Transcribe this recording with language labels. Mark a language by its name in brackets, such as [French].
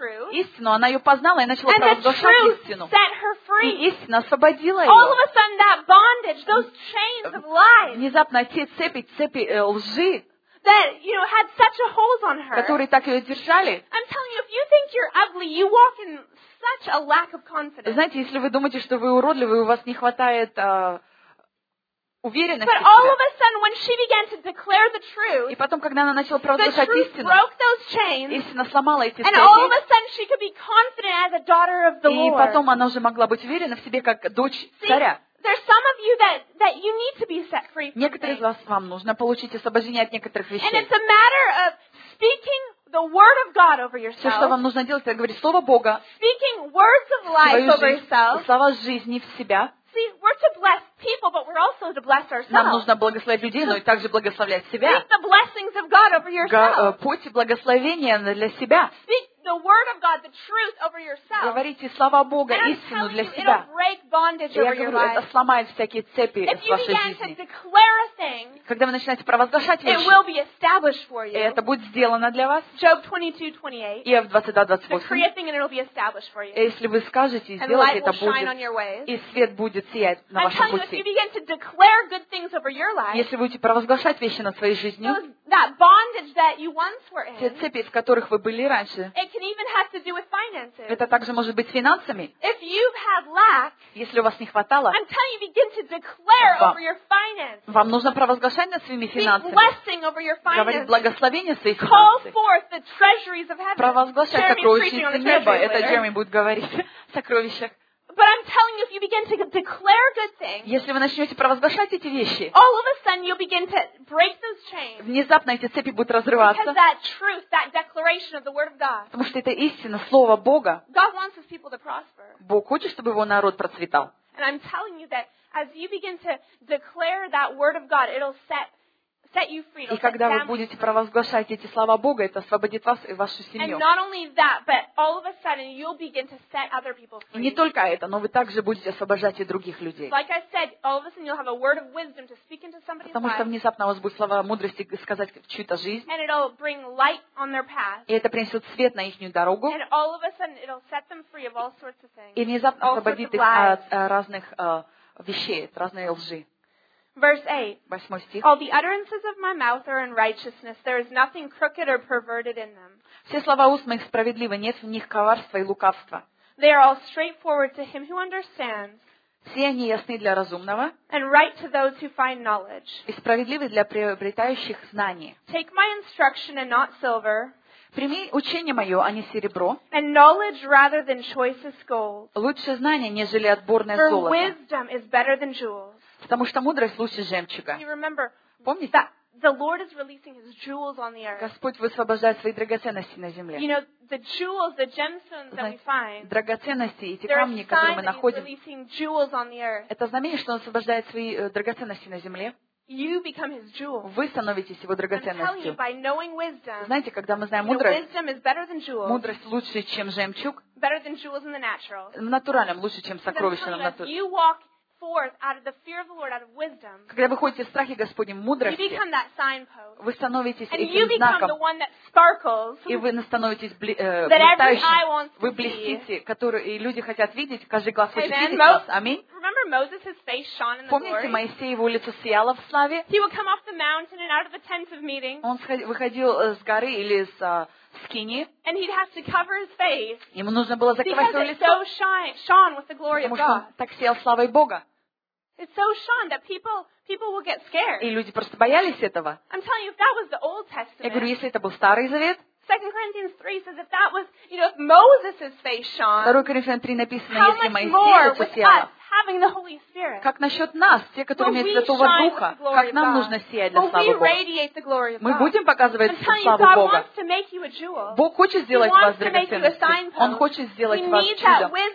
[Russian] Истину, она ее познала и начала провозглашать истину. [English] Set her free. [Russian] И истина освободила ее. [English] All of a sudden, that bondage, those chains of lies, [Russian] внезапно те цепи лжи, [English] that you know had such a hold on her. [Russian] Которые так ее держали. [English] I'm telling you, if you think you're ugly, you walk in such a lack of confidence. [Russian] Знаете, если вы думаете, что вы уродливый, у вас не хватает уверенности. [English] But all of a sudden, when she began to declare the truth, [Russian] и потом, когда она начала провозглашать истину, [English] broke those chains, [Russian] истина сломала эти цепи, [English] and all of a sudden she could be confident as a daughter of the [Russian] и [English] Lord. [Russian] И потом она уже могла быть уверена в себе как дочь [English] See, [Russian] царя. [English] There's some of you that you need to be set free from. [Russian] Некоторые из вас вам нужно получить освобождение от некоторых вещей. [English] And it's a matter of speaking the word of God over yourself. [Russian] Все, что вам нужно делать, это говорить слово Бога. [English] Speaking words of life [Russian] свою жизнь, [English] over yourself. [Russian] Слова жизни в себя. [English] See, we're to bless people, but we're also to bless ourselves. [Russian] Нам нужно благословлять людей, но и также благословлять себя. [English] Speak the blessings of God over yourself. [Russian] Путь благословения для себя. [English] Speak the word of God, the truth over yourself. [Russian] Говорите слова Бога, истину для себя. [English] It'll break bondage over your life. [Russian] Это сломает всякие цепи в вашей жизни. [English] If you begin to declare a thing, [Russian] когда вы начинаете провозглашать вещи, [English] it will be established for you. [Russian] Это будет сделано для вас. [English] Job 22:28. [Russian] Иов 22:28. [English] Decree a thing and it'll be established for you. [Russian] Если вы скажете и сделаете, это будет. [English] And light will shine on your ways. [Russian] И свет будет сиять на вашем пути. [English] If you begin to declare good things over your life, [Russian] если вы будете провозглашать вещи над своей жизнью, [English] that bondage that you once were in, [Russian] те цепи, в которых вы были раньше, [English] can even have to do with finances. [Russian] Это также может быть с финансами. [English] If you've had lack, [Russian] если у вас не хватало, [English] I'm telling you, begin to declare over your finances. [Russian] Вам нужно провозглашать над своими финансами. [English] Speak blessing over your finances. [Russian] Говорить благословение своих финансов. [English] Call forth the treasuries of heaven. [Russian] Провозглашать сокровища неба. Это Джереми будет говорить. Сокровища. [English] But I'm telling you, if you begin to declare good things, [Russian] если вы начнете провозглашать эти вещи, [English] all of a sudden you'll begin to break those chains. [Russian] Внезапно эти цепи будут разрываться. [English] Because that truth, that declaration of the word of God. [Russian] Потому что это истина, слово Бога. [English] God wants His people to prosper. [Russian] Бог хочет, чтобы его народ процветал. [English] And I'm telling you that as you begin to declare that word of God, it'll set set you free. [Russian] И когда вы будете провозглашать эти слова Бога, это освободит вас и вашу семью. [English] And not only that, but all of a sudden you'll begin to set other people free. [Russian] И не только это, но вы также будете освобождать и других людей. [English] Like I said, all of a sudden you'll have a word of wisdom to speak into somebody's life. [Russian] Потому что внезапно у вас будут слова мудрости сказать в чью-то жизнь. [English] And it'll bring light on their path. [Russian] И это принесет свет на их дорогу. [English] And all of a sudden it'll set them free of all sorts of things. [Russian] И внезапно освободит их от разных вещей, от разной лжи. [English] Verse 8. All the utterances of my mouth are in righteousness. There is nothing crooked or perverted in them. [Russian] Все слова уст моих справедливы, нет в них коварства и лукавства. [English] They are all straightforward to him who understands. [Russian] Все они ясны для разумного. [English] And right to those who find knowledge. [Russian] И справедливы для приобретающих знание. [English] Take my instruction and not silver. [Russian] Прими учение мое, а не серебро. [English] And knowledge rather than choicest gold. [Russian] Лучше знание, нежели отборное [English] For [Russian] золото. [English] For wisdom is better than jewels. [Russian] Потому что мудрость лучше жемчуга. [English] Remember, [Russian] помните? [English] That the Lord is releasing his jewels on the earth. [Russian] Господь высвобождает свои драгоценности на земле. [English] You know, the jewels, the gemstones that we find. [Russian] Драгоценности, эти камни, которые мы находим. [English] They're releasing jewels on the earth. [Russian] Это знамение, что он освобождает свои драгоценности на земле. [English] You become his jewel. [Russian] Вы становитесь его драгоценностью. [English] I'm telling you, by knowing wisdom. [Russian] Знаете, когда мы знаем мудрость. [English] Wisdom is better than jewels. [Russian] Мудрость лучше, чем жемчуг. [English] Better than jewels in the natural. [Russian] В натуральном лучше, чем сокровища в натуре. [English] You walk forth out of the fear of the Lord, out of wisdom. [Russian] Когда вы ходите в страхе Господнем, мудрости. [English] You become that signpost. [Russian] Вы становитесь [English] and [Russian] этим [English] you become [Russian] знаком. [English] The one that sparkles. [Russian] И вы становитесь блестящим. Вы блестите, который и люди хотят видеть, каждый глаз [English] Amen. [Russian] Хочет видеть вас. Аминь. [English] Remember Moses, his face shone in the [Russian] Помните, Моисей, его лицо сияло в славе. [English] He would come off the mountain and out of the tent of meeting. [Russian] Он выходил с горы или с Скини. [English] And he'd have to cover his face. [Russian] Ему нужно было закрывать свое лицо. [English] Because it so shone with the glory of God. [Russian] Потому что так сиял славой Бога. [English] It so shone that people will get scared. [Russian] И люди просто боялись этого. [English] I'm telling you, if that was the Old Testament. [Russian] Я говорю, если это был Старый Завет. [English] 2 Corinthians 3 says if that was, you know, if Moses's face shone. [Russian] 2 Corinthians 3 написано, если Моисей это сиял. [English] Having the Holy Spirit. [Russian] Как насчет нас, те, которые имеют Святого Духа, как нам нужно сиять для славы Бога? Мы будем показывать славу Бога. Бог хочет сделать вас драгоценностью. Он хочет сделать вас чудом.